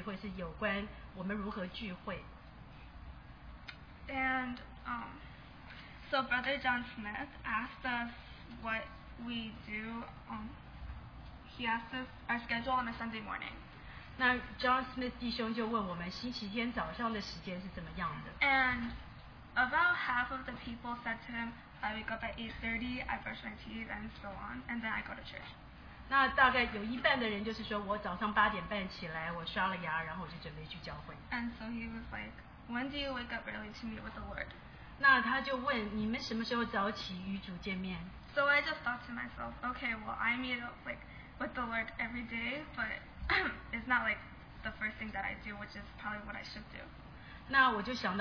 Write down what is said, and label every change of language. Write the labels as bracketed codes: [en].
[zh] 那其中一个让我很受感动的就是其中有一个小组的聚会是有关我们如何聚会。 [en] And so Brother John Smith asked us what we do. He asked us our schedule on a Sunday morning. [zh] 那 John Smith 弟兄就问我们星期天早上的时间是怎么样的。 [en] And about half of the people said to him, I wake up at 8:30, I brush my teeth, and so on, and then I go to church. [zh] 那大概有一半的人就是说我早上八点半起来，我刷了牙，然后我就准备去教会。 [en] And so he was like, when do you wake up early to meet with the Lord? [zh] 那他就问你们什么时候早起与主见面。 [en] So I just thought to myself, okay, well, I meet up like with the Lord every day, but it's not like the first thing that I do, which is probably what I should do.